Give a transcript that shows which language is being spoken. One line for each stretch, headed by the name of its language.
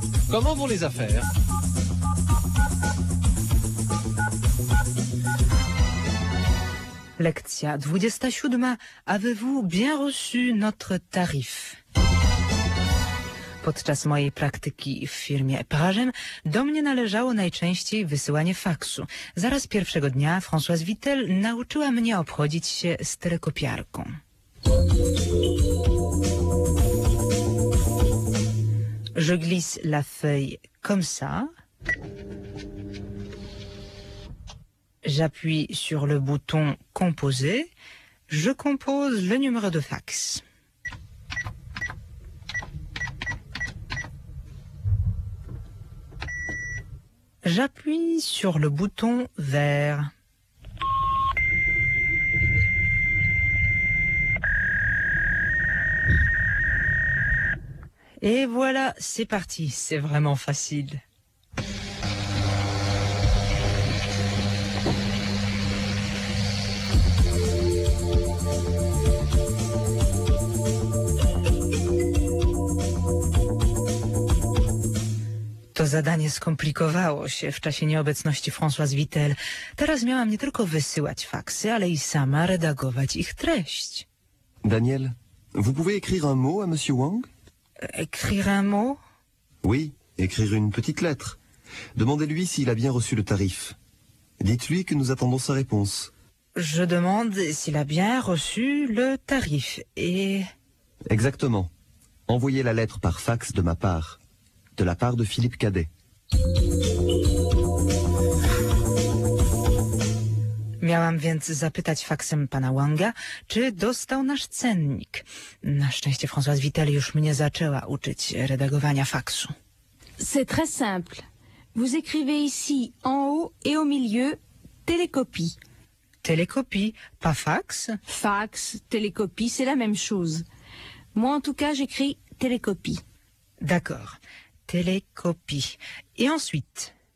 French: Comment vont les affaires ?
Polish: Lekcja 27.
French: Avez-vous bien reçu notre tarif ?
Polish: Podczas mojej praktyki w firmie Eparagem do mnie należało najczęściej wysyłanie faksu. Zaraz pierwszego dnia Françoise Vitel nauczyła mnie obchodzić się stereokopiarką.
French: Je glisse la feuille comme ça. J'appuie sur le bouton composer. Je compose le numéro de fax. J'appuie sur le bouton vert. Et voilà, c'est parti, c'est vraiment facile.
Polish: To zadanie skomplikowało się w czasie nieobecności Françoise Vittel. Teraz miałam nie tylko wysyłać faksy, ale i sama redagować ich treść.
French: Daniel, vous pouvez écrire un mot à monsieur Wang? Écrire un mot? Oui, écrire une petite lettre. Demandez-lui s'il a bien reçu le tarif. Dites-lui que nous attendons sa réponse. Je demande s'il a bien reçu le tarif et... Exactement. Envoyez la lettre par fax de ma part. De la part de Philippe Cadet.
Polish: Miałam więc zapytać faksem pana Wanga, czy dostał nasz cennik. Na szczęście Françoise Vittel już mnie zaczęła uczyć redagowania faksu.
French: C'est très simple. Vous écrivez ici, en haut et au milieu, télécopie. Télécopie, pas fax? Fax, télécopie, c'est la même chose. Moi, en tout cas, j'écris télécopie. D'accord. Télécopie. Et ensuite?